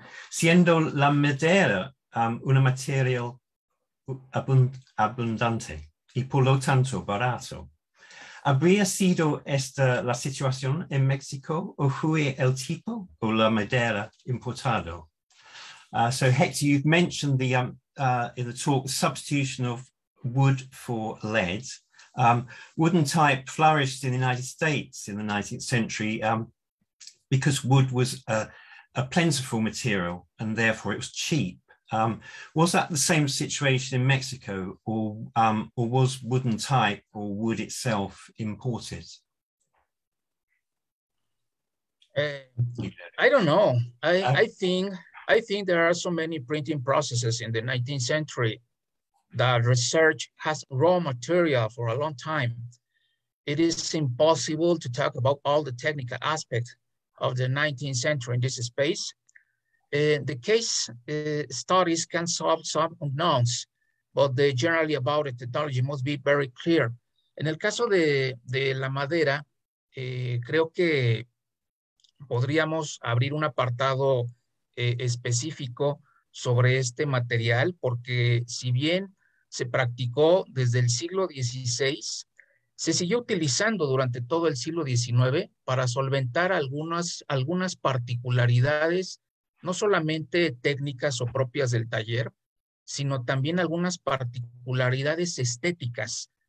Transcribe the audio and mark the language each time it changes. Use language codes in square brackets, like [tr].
[es] Siendo la madera una material abundante y por lo tanto barato. ¿Habría sido esta la situación en México o fue el tipo o la madera importado? [en] So Hector, you've mentioned the in the talk substitution of wood for lead. Wooden type flourished in the United States in the 19th century because wood was a plentiful material and therefore it was cheap. Was that the same situation in Mexico, or was wooden type or wood itself imported? I don't know. I think there are so many printing processes in the 19th century that research has raw material for a long time. It is impossible to talk about all the technical aspects of the 19th century in this space. The case studies can solve some unknowns, but the generally about the technology must be very clear. [es] En el caso de la madera, creo que podríamos abrir un apartado específico sobre este material, porque si bien se practicó desde el siglo XVI, se siguió utilizando durante todo el siglo XIX para solventar algunas particularidades, no solamente técnicas o propias del taller, sino también algunas particularidades estéticas.